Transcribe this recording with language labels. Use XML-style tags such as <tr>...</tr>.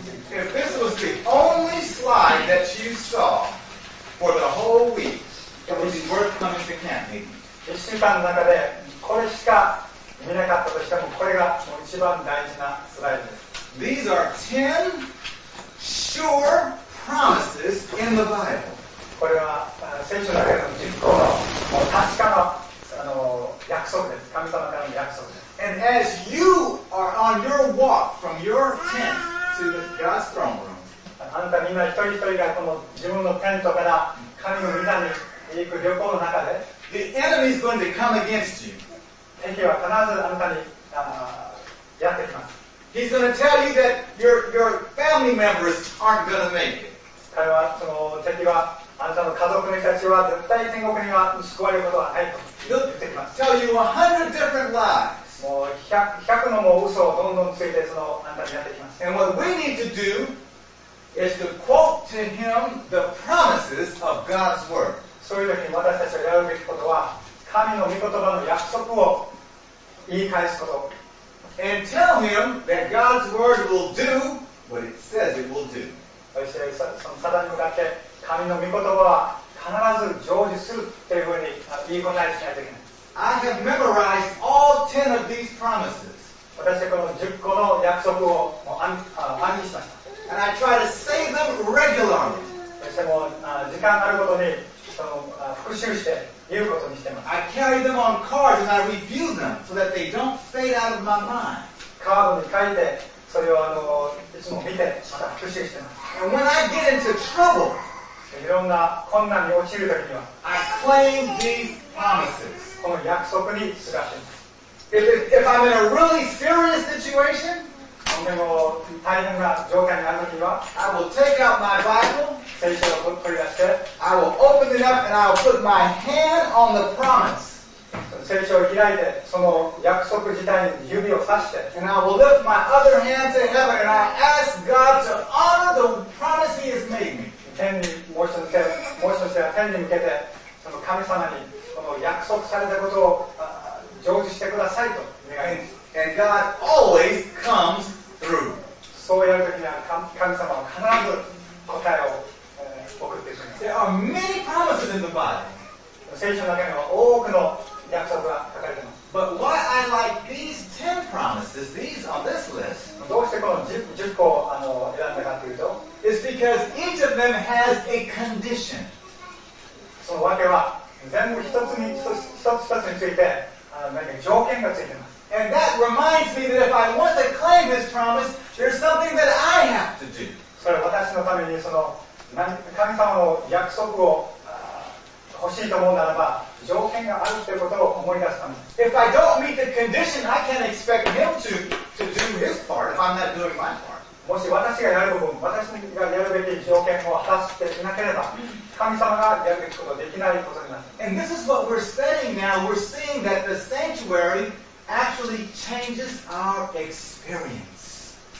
<en>If this was the only slide that you saw for the whole week, it would be worth coming to camp meeting.</en> <ja>1週間の中でこれしか見なかったとしても、これがもう一番大事なスライドです。</ja> <en>These are 10 sure. Promises in the Bible.</en> <ja>これは聖書だけの実行の確かな約束です。神様からの約束です。</ja> <en>And as you are on your walk from your tent to the God's throne room,</en> <ja>あなたみんな一人一人がこの自分のテントから神の御座に行く旅行の中で、</ja> <en>the enemy is going to come against you.</en> <ja>敵は必ずあなたにやってきます。</ja> <en>He's going to tell you that your family members aren't going to make it.</en> <ja>彼はその敵はあなたの家族の人たちは絶対天国には救われることはないと言ってきます。</ja> <en>Tell you 100 different lies.</en> <ja>もう 100のも嘘をどんどんついてそのあなたにやってきます。</ja> <en>And what we need to do is to quote to him the promises of God's word.</en> <ja>そういう時に私たちがやるべきことは神の御言葉の約束を言い返すこと。</ja> <en>And tell him that God's word will do what it says it will do.</en> <ja>そしてそのサタンに向かって神の御言葉は必ず成就するというふうに言いこなしないといけない。</ja> <en>I have memorized all 10 of these promises.</en> <ja>私はこの10個の約束をもう暗記しました。</ja> <en>And I try to say them regularly.</en> <ja>そしてもう時間あるごとにその復習して言うことにしています。</ja> <en>I carry them on cards and I review them so that they don't fade out of my mind.</en> <ja>カードに書いてそれをいつも見てまた復習しています。</ja> <en>And when I get into trouble,</en> <ja>いろんな困難に陥るときには、</ja> <en>I claim these promises.</en> <ja>この約束にすがってます。</ja> <en>If I'm in a really serious situation,</en> <ja>でも大変な状況になるときには、</ja> <en>I will take out my Bible,</en> <ja>聖書を取り出して、</ja> <en>I will open it up and I will put my hand on the promise.</en> <ja>聖書を開いてその約束自体に指を指して</ja> <en>And I will lift my other hand to heaven and I ask God to honor the promise he has made me.</en> <ja>天に申し出して、天に向けてその神様にその約束されたことを成就してくださいと願います。</ja> <en>And God always comes through.</en> <ja>そうやるときには神様は必ず答えを送ってくれます。</ja> <en>There are many promises in the Bible.</en> <ja>聖書の中には多くの約束が書かれています。</ja> <en>But why I like these 10 promises, these on this list,</en> <ja>どうしてこの 10個を選んだかというと、</ja> <en>is because each of them has a condition.</en> <ja>そのわけは、全部一つ一つについて、何か条件がついています。</ja> <en>And that reminds me that if I want to claim this promise, there's something that I have to do.</en> <ja>それは私のために、その神様の約束を欲しいと思うならば、条件があるということを思い出すため。</ja> <en>If I don't meet the condition, I can't expect him to do his part if I'm not doing my part.</en> <ja>もし私がやる分、私がやるべき条件を果たしていなければ、神様がやるべきことができないことになります。</ja> <en>And this is what we're studying now. We're seeing that the sanctuary actually changes our experience.</en>